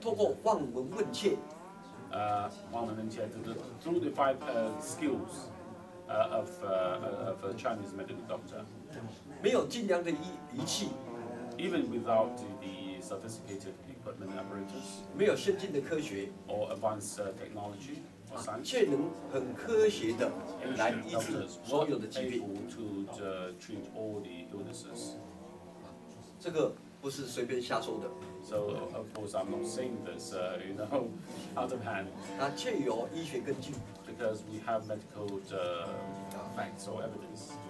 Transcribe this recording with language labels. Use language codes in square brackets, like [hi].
[zh] 透过望闻问切，望闻问切 [en] through the five skills of a Chinese medical doctor. [zh] 没有精良的仪器 [en] even without the sophisticated. But many apparatus, [zh] 没有先进的科学 [en] or advanced technology, or science, [zh] 却能很科学的来医治所有的疾病 [en] able to treat all the illnesses. [zh] 这个不是随便瞎说的 [en] So of course I'm not saying this, you know, out of hand. [zh] 它却有医学根据 [en] because we have medical facts or evidence.